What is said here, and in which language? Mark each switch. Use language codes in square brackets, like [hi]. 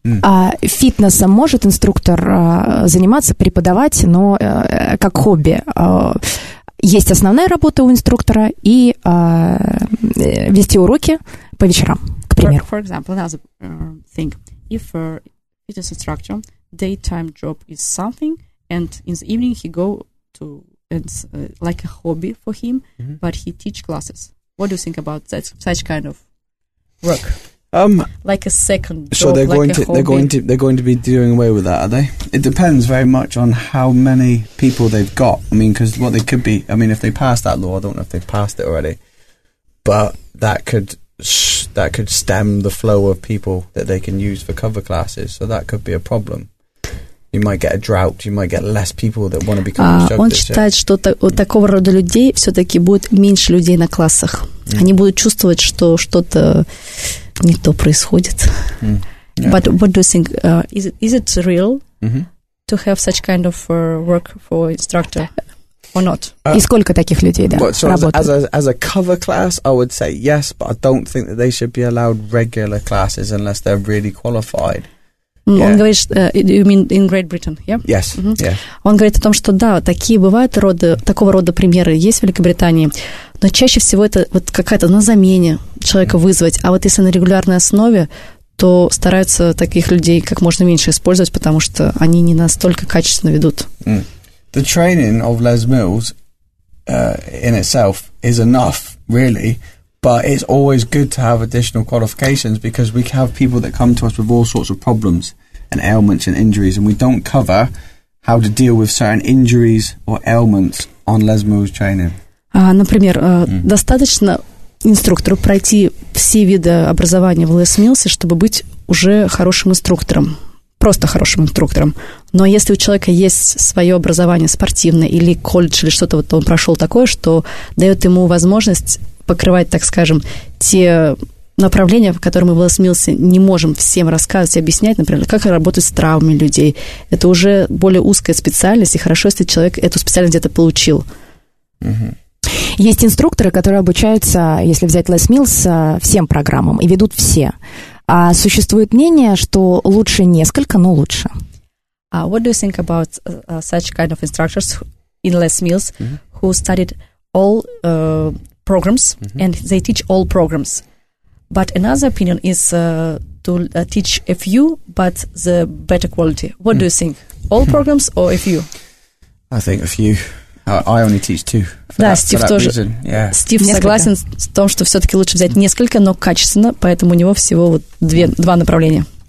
[ru] А фитнесом может инструктор заниматься, преподавать, но как хобби? Есть основная работа у инструктора и вести уроки по вечерам, к примеру. [en] For example, another thing. If a fitness instructor, daytime job is something, and in the evening he go to it's like a hobby for him, mm-hmm. but he teach classes. What do you think about that, such kind of work? Like a second job, so they're like going a to hobby. they're going to be doing away with that, are they? It depends very much on how many people they've got. I mean, because what they could be, I mean, if they pass that law, I don't know if they've passed it already, but that could stem the flow of people that they can use for cover classes. So that could be a problem. You might get a drought. You might get less people that want to become instructors. [ru] Он считает, что у такого рода людей все-таки будет меньше людей на классах. Mm. Они будут чувствовать, что что-то не то происходит. [en] Mm. Yeah. But what do you think? Is it real mm-hmm. to have such kind of work for instructor or not? [ru] И сколько таких людей, да, so работают? [en] As a cover class, I would say yes, but I don't think that they should be allowed regular classes unless they're really qualified. Yeah. [ru] Он говорит, [en] you mean in Great Britain, yeah? Yes, mm-hmm. yeah. [ru] Он говорит о том, что да, такие бывают роды, такого рода примеры есть в Великобритании, но чаще всего это вот какая-то на замене человека mm-hmm. вызвать, а вот если на регулярной основе, то стараются таких людей как можно меньше использовать, потому что они не настолько качественно ведут. Mm. [en] The training of Les Mills in itself is enough, really. But it's always good to have additional qualifications because we have people that come to us with all sorts of problems and ailments and injuries, and we don't cover how to deal with certain injuries or ailments on Les Mills training. [ru] Например, достаточно инструктору пройти все виды образования в Les Mills, чтобы быть уже хорошим инструктором, просто хорошим инструктором. Но если у человека есть свое образование спортивное или колледж или что-то, вот он прошел такое, что дает ему возможность покрывать, так скажем, те направления, в которые мы в Les Mills не можем всем рассказывать и объяснять, например, как работать с травмами людей. Это уже более узкая специальность, и хорошо, если человек эту специальность где-то получил. Mm-hmm. Есть инструкторы, которые обучаются, если взять Les Mills, всем программам, и ведут все. А существует мнение, что лучше несколько, но лучше. [en] What do you think about such kind of instructors in Les Mills mm-hmm. who studied all programs mm-hmm. and they teach all programs, but another opinion is to teach a few but the better quality. What do you think, all programs or a few? I think a few. I only teach two. [ru] Да, Стив тоже. Стив согласен с тем, что все-таки лучше взять несколько, но качественно, поэтому у него всего вот два направления.